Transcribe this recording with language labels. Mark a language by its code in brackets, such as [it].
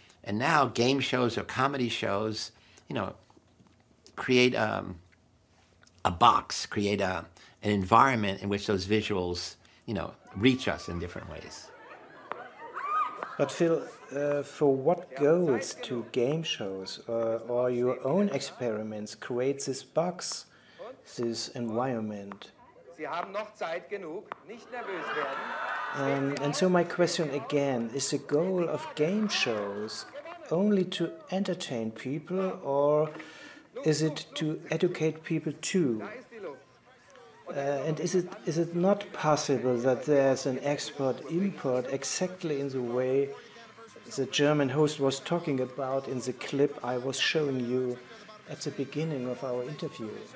[en] And now game shows or comedy shows, you know, create an environment in which those visuals, you know, reach us in different ways. But Phil, for what goals do game shows or your own experiments create this box, this environment? [de] Sie haben noch Zeit genug, nicht nervös werden. [en] And so my question again, is the goal of game shows only to entertain people, or is it to educate people too? And is it not possible that there's an export-import exactly in the way the German host was talking about in the clip I was showing you at the beginning of our interview?